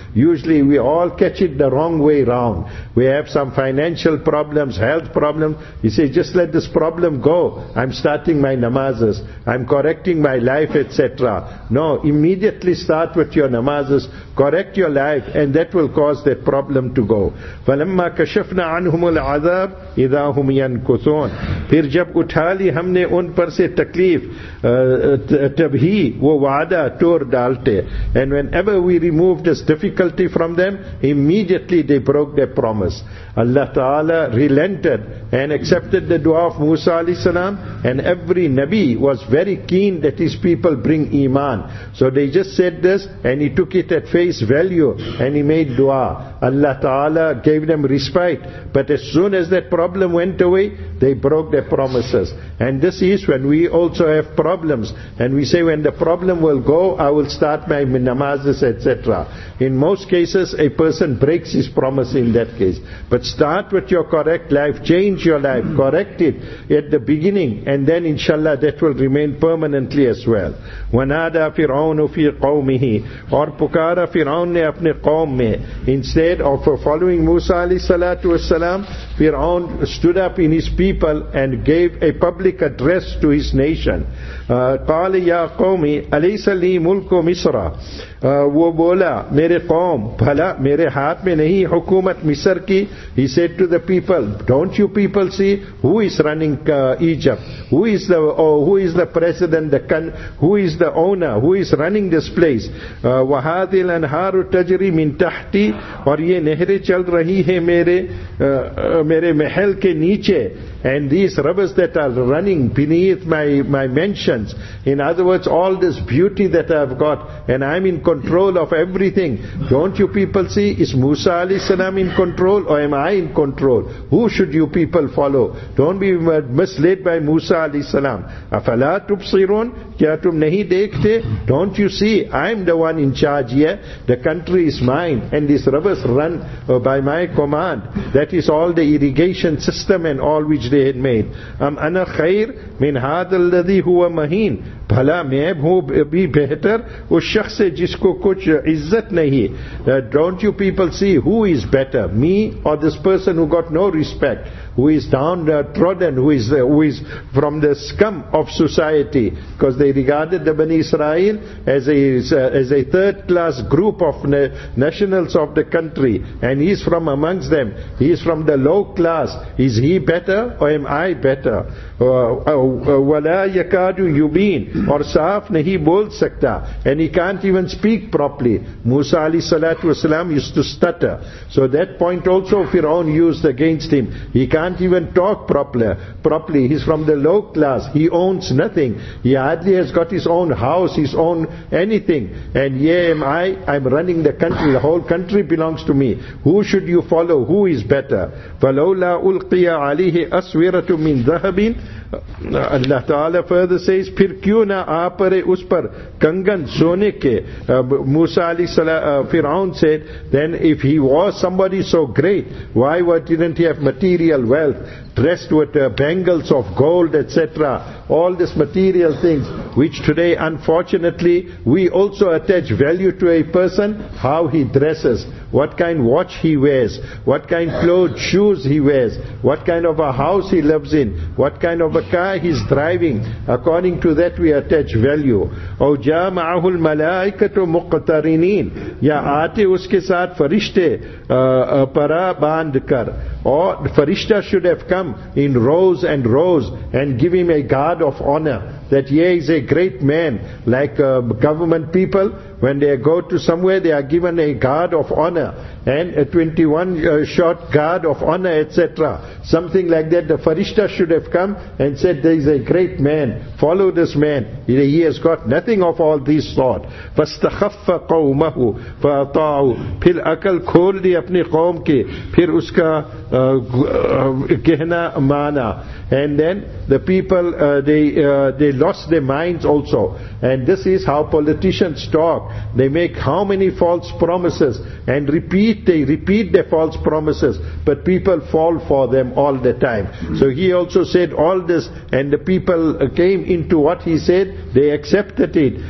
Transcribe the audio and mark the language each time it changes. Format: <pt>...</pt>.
<en>Usually we all catch it the wrong way round. We have some financial problems, health problems. You say, just let this problem go. I'm starting my namazes. I'm correcting my life, etc. No, immediately start with your namazes. Correct your life, and that will cause that problem to go.</en> <ar>فَلَمَّا كَشَفْنَا عَنْهُمُ الْعَذَابِ إِذَا هُمْ يَنْكُثُونَ.</ar> <ur>پھر جب اٹھا لی ہم نے ان پر سے تکلیف تب ہی وہ وعدہ توڑ ڈالتے.</ur> <en>And whenever we remove this difficulty from them, immediately they broke their promise. Allah Ta'ala relented and accepted the dua of Musa alayhi salam, and every Nabi was very keen that his people bring Iman. So they just said this and he took it at face value and he made dua. Allah Ta'ala gave them respite, but as soon as that problem went away, they broke their promises. And this is when we also have problems and we say, when the problem will go, I will start my namazes, etc. In most cases, a person breaks his promise in that case. But start with your correct life, change your life, correct it at the beginning, and then inshallah that will remain permanently as well.</en> <ar>وَنَادَى فِرْعَوْنُ فِي قَوْمِهِ.</ar> <ur>اور پکارا فرعون نے اپنے قوم میں.</ur> <en>Instead of following Musa alayhi salatu wasalam, Fir'aun stood up in his people and gave a public address to his nation.</en> <ar>قَالِ يَا قَوْمِ أَلَيْسَ لِي مُلْكُ مِصْرَ.</ar> <ur>وہ بولا میرے قوم بھلا میرے ہاتھ میں نہیں حکومت مصر کی.</ur> <en>He said to the people, don't you people see who is running Egypt? Who is the president, who is the owner, who is running this place?</en> <ar>وَهَذِي الْأَنْهَارُ تَجْرِي مِنْ تَحْتِ.</ar> <ur>اور یہ نہریں چل رہی ہیں میرے محل کے نیچے.</ur> <en>And these rivers that are running beneath my mansions. In other words, all this beauty that I've got, and I'm in control of everything. Don't you people see? Is Musa alayhi salam in control, or am I in control? Who should you people follow? Don't be misled by Musa alayhi salam.</en> <ar>Afala tubsirun?</ar> <ur>Kya tum nahi dekhte?</ur> <en>Don't you see? I'm the one in charge here. The country is mine, and these rivers run by my command. That is all the irrigation system and all which they had made.</en> <ar>Am ana khair min hadha alladhi huwa mahin.</ar> <ur>بھلا میں ہوں بھی بہتر اس شخص سے جس کو کچھ عزت نہیں.</ur> <en>Don't you people see who is better, me or this person who got no respect, who is downtrodden, who is from the scum of society? Because they regarded the Bani Israel as a third class group of nationals of the country, and he's from amongst them, he's from the low class. Is he better or am I better?</en> <ar>وَلَا يَكَادُ يُبِينَ.</ar> <ur>اور صاف نہیں بول سکتا.</ur> <en>And he can't even speak properly. Musa alayhi salatu wasalam used to stutter. So that point also Fir'aun used against him. He can't even talk properly. He's from the low class. He owns nothing. He hardly has got his own house, his own anything. And yeah, I'm running the country. The whole country belongs to me. Who should you follow? Who is better?</en> <ar>فَلَوْلَا أُلْقِيَ عَلِيهِ أَسْوِرَةٌ مِّن ذَهَبٍ.</ar> <en>Allah Ta'ala further says,</en> <ur>پھر کیوں نہ آ پرے اس پر کنگن سونے کے.</ur> <en>Musa alayhi salam, Fir'aun said, then if he was somebody so great, why didn't he have material wealth, dressed with bangles of gold, etc., all these material things, which today, unfortunately, we also attach value to a person, how he dresses, what kind watch he wears, what kind clothes, shoes he wears, what kind of a house he lives in, what kind of a car he's driving. According to that, we attach value.</en> <ar>O ja ma'ahu al-mala'ikatu muqtarinin,</ar> <ur>ya aate uske saath farishte para band kar.</ur> <en>Or farishta should have come in rows and rows and give him a guard of honor, that yeah, he is a great man. Like government people, when they go to somewhere, they are given a guard of honor. and 21 short guard of honor, etc. Something like that. The farishta should have come and said, there is a great man, follow this man. He has got nothing of all these sort.</en> <ar>فَاسْتَخَفَّ قَوْمَهُ فَأَطَاعُوا</ar> <ur>پھر اکل کھول دی اپنی قوم کے پھر اس کا کہنا مانا.</ur> <en>And then the people, they lost their minds also. And this is how politicians talk. They make how many false promises and repeat, they repeat their false promises, but people fall for them all the time. So he also said all this, and the people came into what he said, they accepted it.</en>